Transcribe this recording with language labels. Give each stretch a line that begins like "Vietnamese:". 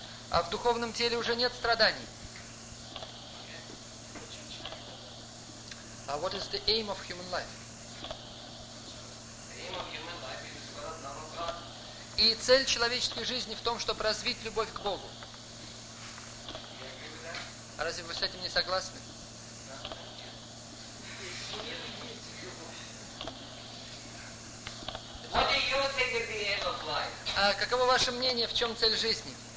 Russian: А в духовном теле уже нет страданий.
English: А what is the aim of human life?
Russian: И цель человеческой жизни в том, чтобы развить любовь к Богу. Разве вы с этим не согласны?
English: What do you think is the aim of life?
Russian: А каково ваше мнение, в чем цель жизни?